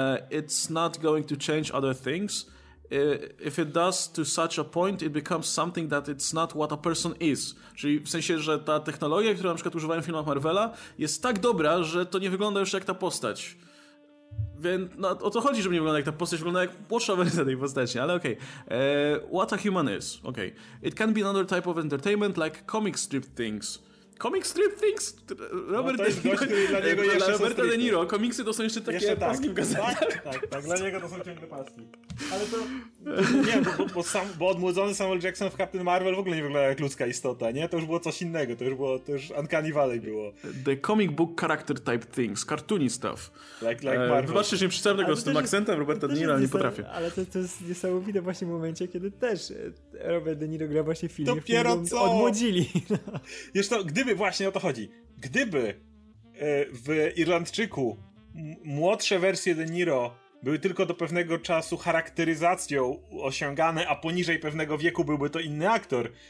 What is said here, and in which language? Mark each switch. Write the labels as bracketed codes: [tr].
[en] It's not going to change other things. If it does to such a point, it becomes something that it's not what a person is. [pl] Czyli w sensie, że ta technologia, którą na przykład używają w filmach Marvela, jest tak dobra, że to nie wygląda już jak ta postać. Więc no, o to chodzi, żeby nie wygląda jak ta postać, wygląda jak płoszcza wersja tej postaci, ale okej. [en] Okay. What a human is? Okay. It can be another type of entertainment, like comic strip things. Comic strip things? [pl] Robert no, to jest De Niro. Gość, dla niego dla Roberta De Niro, komiksy to są jeszcze takie jeszcze paski tak, w gazetach. Tak, dla niego to są ciągle paski. Ale to... Nie, bo odmłodzony Samuel Jackson w Captain Marvel w ogóle nie wygląda jak ludzka istota, nie? To już było coś innego, to już Uncanny Valley było. [en] The comic book character type things, cartoony stuff. Like Marvel. [pl] Wybaczcie, że nie przeczytałem tego z tym akcentem Roberta De Niro, nie potrafię. Ale to jest niesamowite właśnie w momencie, kiedy też Robert De Niro gra właśnie film, dopiero w którym odmłodzili. Jeszcze, gdyby, właśnie o to chodzi, gdyby w Irlandczyku młodsze wersje De Niro były tylko do pewnego czasu charakteryzacją osiągane, a poniżej pewnego wieku byłby to inny aktor.